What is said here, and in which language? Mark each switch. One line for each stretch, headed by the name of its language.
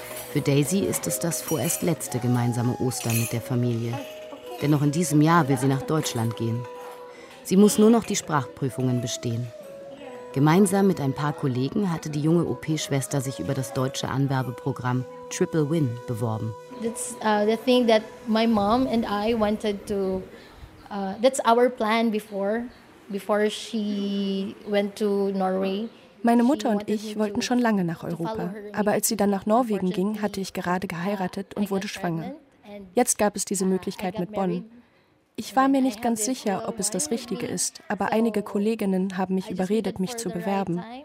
German: Für Daisy ist es das vorerst letzte gemeinsame Ostern mit der Familie. Denn noch in diesem Jahr will sie nach Deutschland gehen. Sie muss nur noch die Sprachprüfungen bestehen. Gemeinsam mit ein paar Kollegen hatte die junge OP-Schwester sich über das deutsche Anwerbeprogramm Triple Win beworben.
English: That's the thing that my mom and I wanted to. That's our plan before she went to Norway.
German: Meine Mutter und ich wollten schon lange nach Europa, aber als sie dann nach Norwegen ging, hatte ich gerade geheiratet und wurde schwanger. Jetzt gab es diese Möglichkeit mit Bonn. Ich war mir nicht ganz sicher, ob es das Richtige ist, aber einige Kolleginnen haben mich überredet, mich zu bewerben.